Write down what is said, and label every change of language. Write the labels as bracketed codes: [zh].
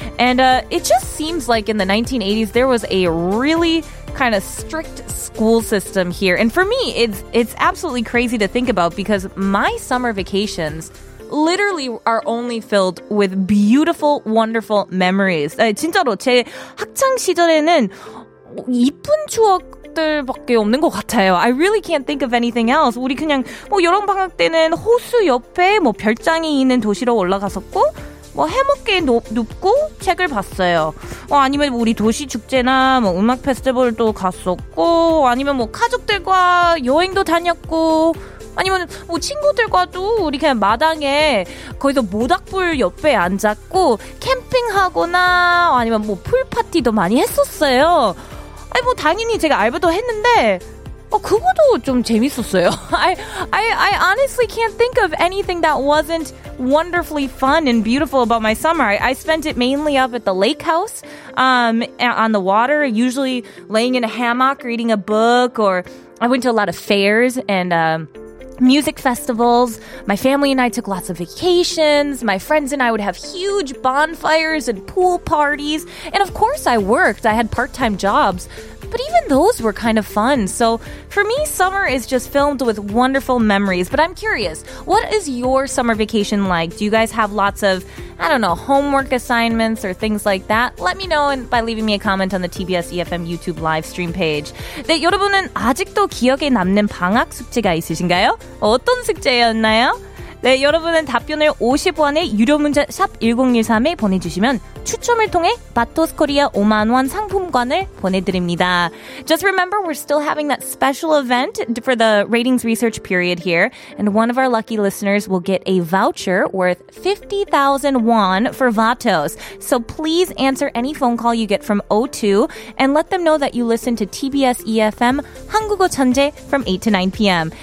[en] And it just seems like in the 1980s there was a really kind of strict school system here. And for me, it's absolutely crazy to think about, because my summer vacations literally are only filled with beautiful, wonderful memories. [ko] 진짜로 제 학창 시절에는 이쁜 추억들밖에 없는 것 같아요. [en] I really can't think of anything else. [ko] 우리 그냥 뭐 여름방학 때는 호수 옆에 뭐 별장이 있는 도시로 올라갔었고, 뭐 해먹게 눕고 책을 봤어요. 아니면 우리 도시 축제나 뭐 음악 페스티벌도 갔었고, 아니면 뭐 가족들과 여행도 다녔고, 아니면 뭐 친구들과도 우리 그냥 마당에 거기서 모닥불 옆에 앉았고 캠핑하거나 아니면 뭐 풀파티도 많이 했었어요. 아니 뭐 당연히 제가 알바도 했는데 그거도 좀 재밌었어요. [en] I honestly can't think of anything that wasn't wonderfully fun and beautiful about my summer. I spent it mainly up at the lake house, on the water, usually laying in a hammock reading a book, or I went to a lot of fairs and music festivals. My family and I took lots of vacations. My friends and I would have huge bonfires and pool parties. And of course I worked. I had part-time jobs. But even those were kind of fun. So for me, summer is just filled with wonderful memories. But I'm curious, what is your summer vacation like? Do you guys have lots of, I don't know, homework assignments or things like that? Let me know by leaving me a comment on the TBS EFM YouTube live stream page. [ko] 네, 여러분은 아직도 기억에 남는 방학 숙제가 있으신가요? 어떤 숙제였나요? 네, 여러분은 답변을 50원에 유료 문자 샵 1013에 보내주시면 추첨을 통해 바토스 코리아 5만 원 상품권을 보내드립니다. [en] Just remember, we're still having that special event for the ratings research period here, and one of our lucky listeners will get a voucher worth 50,000 won for Vatos. So please answer any phone call you get from O2 and let them know that you listen to TBS EFM 한국어 천재 from 8 to 9 p.m.